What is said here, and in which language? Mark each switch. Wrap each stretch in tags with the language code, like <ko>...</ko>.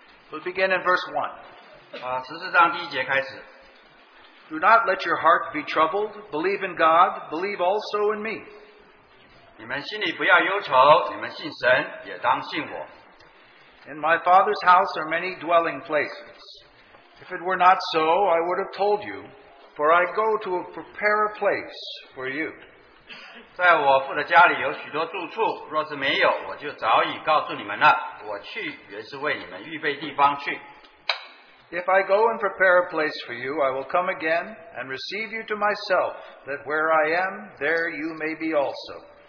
<en>We'll begin in verse 1.</en> <zh>14章第一节开始。</zh> <en>Do not let your heart be troubled. Believe in God. Believe also in me.</en> <zh>你们心里不要忧愁,你们信神,也当信我。</zh> <en>In my Father's house are many dwelling places. If it were not so, I would have told you. For I go to prepare a place for you.</en> <zh>在我父的家里有许多住处,若是没有,我就早已告诉你们了,我去原是为你们预备地方去。</zh> <en>If I go and prepare a place for you, I will come again and receive you to myself, that where I am, there you may be also.</en>